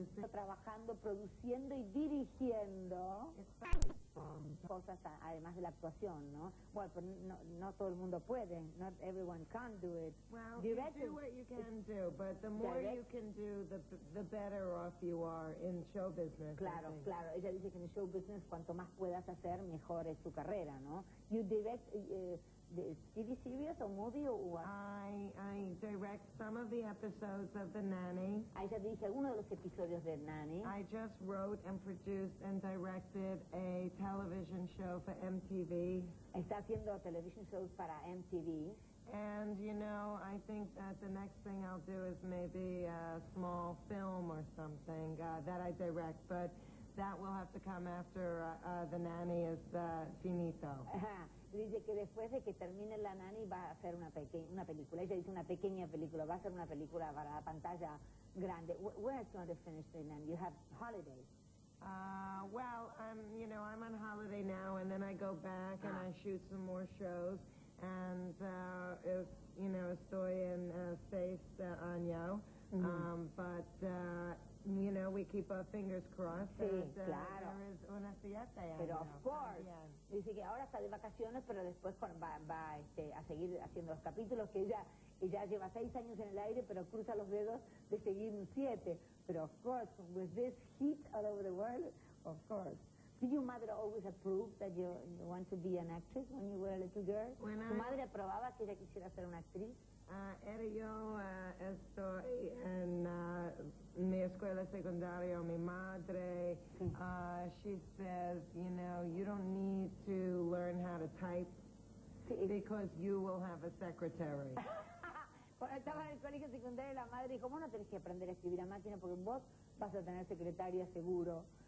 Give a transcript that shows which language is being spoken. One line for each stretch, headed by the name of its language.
Spanish: trabajando, produciendo y dirigiendo cosas además de la actuación, ¿no? Bueno, pero no todo el mundo puede.
English: Not everyone can do it. Well, direct, you do what you can do, but the more direct, you can do, the better off you are in show business.
Spanish: Claro, claro. Ella dice que en show business cuanto más puedas hacer, mejor es tu carrera, ¿no?
English: You direct TV series or movie or what? I direct some of the episodes of The Nanny. I just
Spanish: dirige algunos de los episodios de Nanny.
English: I just wrote and produced and directed a television show for MTV.
Spanish: Está haciendo television shows para MTV.
English: And, you know, I think that the next thing I'll do is maybe a small film or something that I direct, but that will have to come after The Nanny is finito.
Spanish: Dice que después de que termine La Nani va a hacer una película. Ella dice una pequeña película, va a hacer una película para la pantalla grande.
English: Where is going to finish The Nani? You have holidays. Well, I'm on holiday now, and then I go back and I shoot some more shows.
Spanish: And, estoy en seis años.
English: We keep our fingers crossed.
Spanish: Sí, claro.
English: There is
Spanish: una fiesta, pero
English: know, of course.
Spanish: También. Dice que ahora está de vacaciones, pero después va a seguir haciendo los capítulos, que ella lleva 6 años en el aire, pero cruza los dedos de seguir 7.
English: Pero of course, with this heat all over the world, of course. Did your mother always approve that you want to be an actress when you were a little girl?
Spanish: ¿Tu madre aprobaba que ella quisiera ser una actriz? Era yo estoy en mi escuela secundaria, mi madre,
English: she says, you don't need to learn how to type because you will have a secretary.
Spanish: Cuando estaba en el colegio secundario, la madre dijo, vos no tenés que aprender a escribir a máquina porque vos vas a tener secretaria seguro.